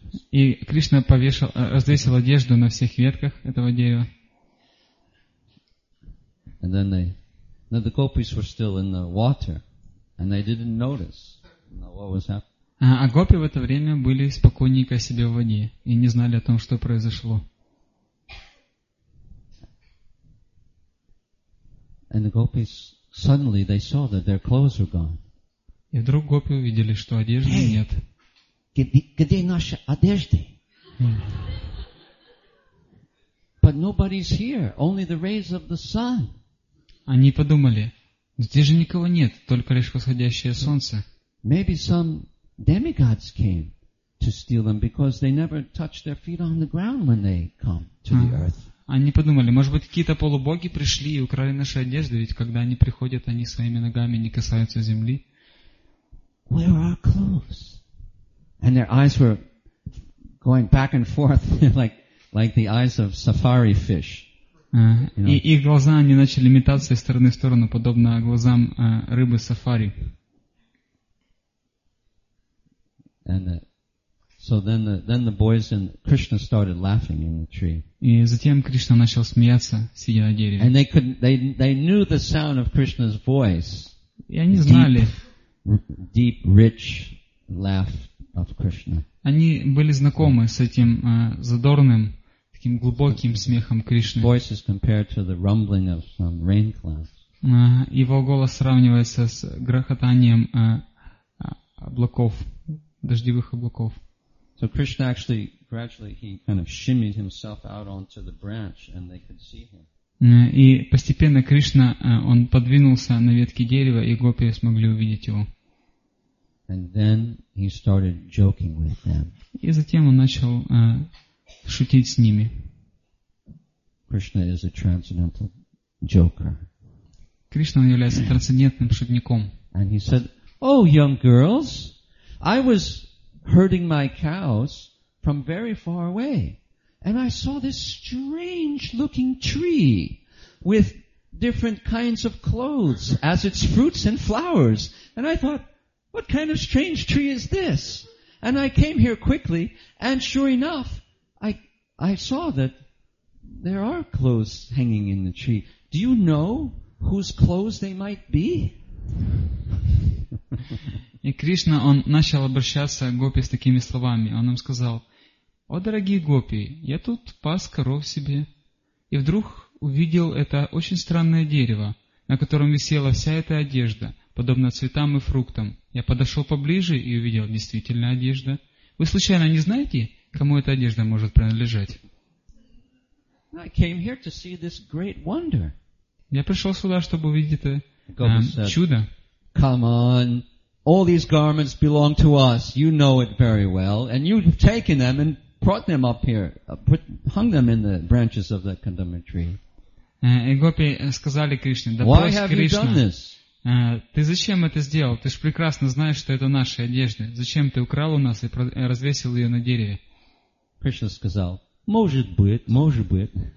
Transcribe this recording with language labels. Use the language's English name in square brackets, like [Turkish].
[Russian] И Кришна развесил одежду на всех ветках этого дерева. [English] And then the gopis were still in the water, and they didn't notice, you know, what was happening. [Russian] А гопи в это время были спокойненько себе в воде и не знали о том, что произошло. [English] And the gopis suddenly they saw that their clothes were gone. [Russian] И вдруг гопи увидели, что одежды нет. Где наши одежды? [English] But nobody's here. Only the rays of the sun. [Russian] Они подумали, здесь же никого нет, только лишь восходящее солнце. [English] Maybe some demigods came to steal them because they never touch their feet on the ground when they come to the earth. [Russian] Они подумали, может быть, какие-то полубоги пришли и украли наши одежды, ведь когда они приходят, они своими ногами не касаются земли. [English] Where are our clothes? And their eyes were going back and forth like the eyes of safari fish. [Russian] И их глаза, они начали метаться из стороны в сторону, подобно глазам рыбы сафари. И затем Кришна начал смеяться, сидя на дереве. [English] And they knew the sound of Krishna's voice. [Russian] И они знали. [English] Deep, rich laugh of Krishna. [Russian] Они были знакомы с этим задорным, таким глубоким смехом Кришны. [English] Voice is compared to the rumbling of some rain clouds. [Russian] Его голос сравнивается с грохотанием облаков, дождевых облаков. [English] So Krishna actually gradually he kind of shimmied himself out onto the branch and they could see him. [Russian] И постепенно Кришна он подвинулся на ветке дерева, и гопи смогли увидеть его. [English] And then he started joking with them. [Russian] И затем он начал шутить с ними. [English] Krishna is a transcendental joker. [Russian] Кришна является трансцендентным шутником. [English] And he said, "Oh, young girls, I was herding my cows from very far away, and I saw this strange-looking tree with different kinds of clothes as its fruits and flowers, and I thought, what kind of strange tree is this? And I came here quickly, and sure enough, I saw that there are clothes hanging in the tree. Do you know whose clothes they might be?" [Russian] И Кришна, он начал обращаться к гопи с такими словами. Он им сказал: "О, дорогие гопи, я тут пас коров себе, и вдруг увидел это очень странное дерево, на котором висела вся эта одежда, подобно цветам и фруктам. Я подошел поближе и увидел действительно одежда. Вы случайно не знаете, кому эта одежда может принадлежать?" [English] I came here to see this great wonder. [Russian] Я пришел сюда, чтобы увидеть это чудо. [English] Come on, all these garments belong to us. You know it very well, and you've taken them and brought them up here, hung them in the branches of the kandamba tree. [Russian] И гопи сказали Кришне: "Да [English] why have [Russian] Кришна, [English] you done this? [Russian] Ты зачем это сделал? Ты же прекрасно знаешь, что это наши одежды. Зачем ты украл у нас и развесил ее на дереве?" Кришна сказал: "Может быть, может быть.